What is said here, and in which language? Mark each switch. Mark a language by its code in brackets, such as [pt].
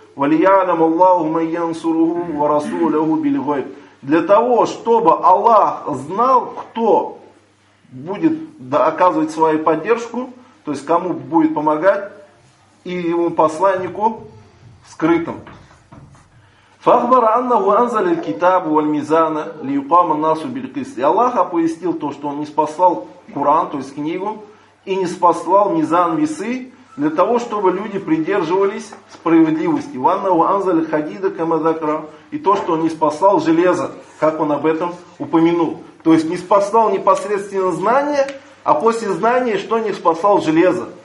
[ar] Валиялам Аллаху майянсуруху ва расулюху бильгой. [ru] Для того, чтобы Аллах знал, кто будет оказывать свою поддержку, то есть кому будет помогать, и его посланнику скрытым. [ar] فأخبر أنه أنزل الكتاب والميزان ليقام الناس بالقسط. [ru] الله оповестил то, что он ниспослал Коран, то есть книгу, и ниспослал мизан, весы, для того, чтобы люди придерживались справедливости. [ar] وأنه أنزل الحديد كما ذكر, [ru] и то, что он ниспослал железо, как он об этом упомянул. То есть ниспослал непосредственно знание, а после знания, что ниспослал железо.